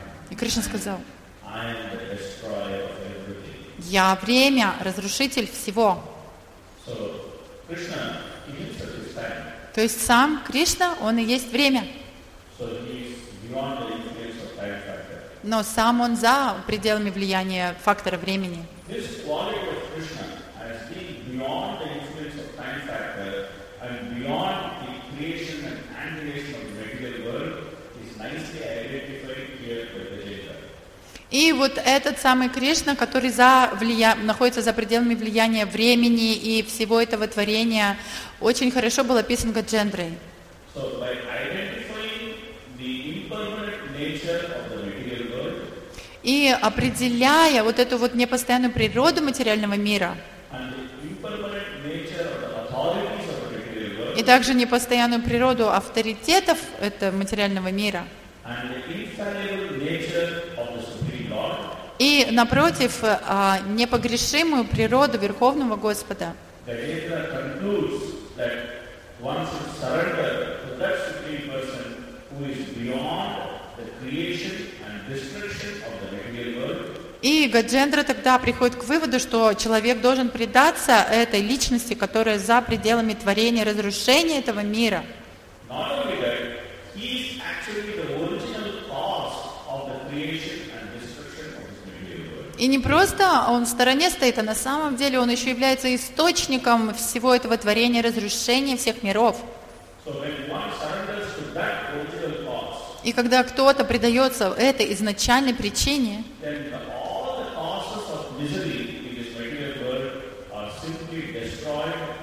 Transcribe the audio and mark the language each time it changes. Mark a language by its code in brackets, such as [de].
[ru] И Кришна сказал, я время, разрушитель всего. [en] Krishna is time. [ru] То есть сам Кришна, он и есть время. [en] So beyond the influence of time factor. [ru] Но сам он за пределами влияния фактора времени. [en] This quality of Krishna has been beyond the influence of time factor and beyond the creation and annihilation of the material world is nicely identified here by the Jeta. [ru] И вот этот самый Кришна, который находится за пределами влияния времени и всего этого творения, очень хорошо был описан Гаджендрой. [en] So, by identifying the impermanent nature of the material world, [ru] и определяя вот эту вот непостоянную природу материального мира, [en] and the impermanent nature of the authorities of the material world, [ru] и также непостоянную природу авторитетов этого материального мира, [en] and the infallible nature of the Supreme Lord, [ru] и, напротив, непогрешимую природу Верховного Господа, [en] Gajendra concludes that one should surrender to that Supreme Person who is beyond the creation and destruction of the material world. [ru] И Гаджендра тогда приходит к выводу, что человек должен предаться этой личности, которая за пределами творения, разрушения этого мира. [en] Not only that, he is actually the original cause of the creation and destruction of the material world. [ru] И не просто он в стороне стоит, а на самом деле он еще является источником всего этого творения, разрушения всех миров. [en] So when one surrenders to that original cause, [ru] и когда кто-то предается этой изначальной причине, [en] then all the causes of misery in this material world are simply destroyed.